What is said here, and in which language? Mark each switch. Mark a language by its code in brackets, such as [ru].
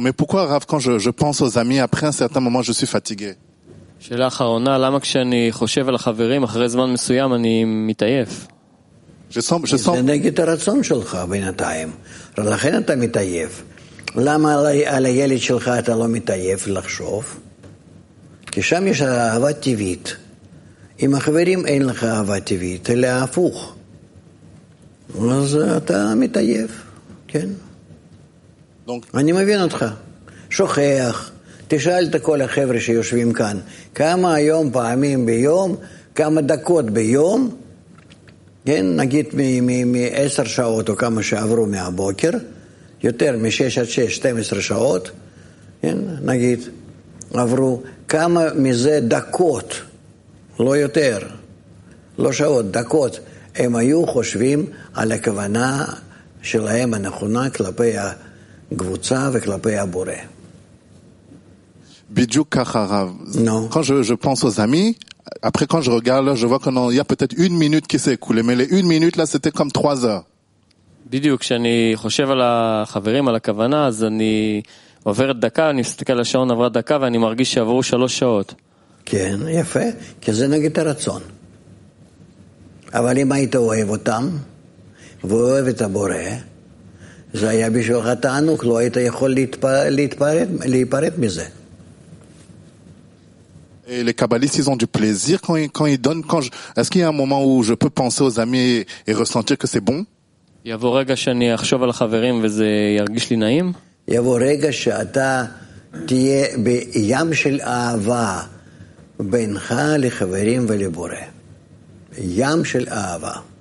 [fr] Mais pourquoi, Rav, quand je pense aux amis, après un certain moment, je suis fatigué? [he] שאלה אחרונה, למה כשאני חושב על החברים, אחרי זמן מסוים, אני מתעייף? [fr] Je sens... [he] זה נגד הרצון שלך בינתיים. לכן אתה מתעייף. למה על הילד שלך אתה לא מתעייף לחשוב? כי שם יש אהבה טבעית. עם החברים אין לך אהבה טבעית, אלא הפוך. אז אתה מתעייף. כן. [fr] Donc... [he] אני מבין אותך. שוכח. תשאל את כל החבר'ה שיושבים כאן. כמה היום פעמים ביום, כמה דקות ביום, כן, נגיד מ-10 שעות או כמה שעברו מהבוקר, יותר מ-6 עד 6, 12 שעות, כן, נגיד, עברו, כמה מזה דקות, לא יותר, לא שעות, דקות, הם היו חושבים על הכוונה שלהם הנכונה כלפי הקבוצה וכלפי הבורא. בדיוק ככה רב. No. [fr] Quand je pense aux amis, après quand je regarde, je vois qu'il y a peut-être une minute qui s'est écoulée, mais les une minute là c'était comme 3 heures. [he] בדיוק כשאני חושב על החברים, על הכוונה, אז אני עוברת דקה, אני מסתכל לשעון, עברה דקה, ואני מרגיש שעברו 3 שעות. כן, יפה, כי זה נגיד הרצון. אבל אם היית אוהב אותם, ואוהב את הבורא, זה היה בשבילך תענוג, לא היית יכול להיפרד מזה. [fr] Et les kabbalistes, ils ont du plaisir quand ils donnent, quand je... Est-ce qu'il y a un moment où je peux penser aux amis et ressentir que c'est bon? [he] יבוא רגע שאני אחשוב על החברים וזה ירגיש לי נעים? יבוא רגע שאתה תהיה בים של אהבה בינך לחברים ולבורא. ים של אהבה.